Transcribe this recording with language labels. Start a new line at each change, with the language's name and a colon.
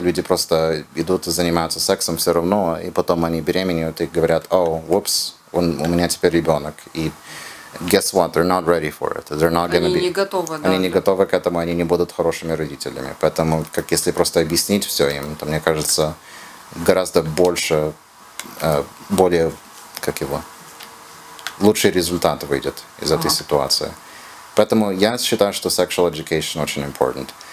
Russian: Люди просто идут и занимаются сексом все равно, и потом они беременеют и говорят, у меня теперь ребенок.
English: И guess what, they're not ready for it. They're not gonna be...
Russian: Они не готовы, да. Они не готовы к этому, они не будут хорошими родителями. Поэтому, как если просто объяснить все им, то мне кажется, гораздо больше, более, как его, лучший результат выйдет из этой ситуации. Поэтому я считаю, что
English: sexual education
Russian: очень
English: important.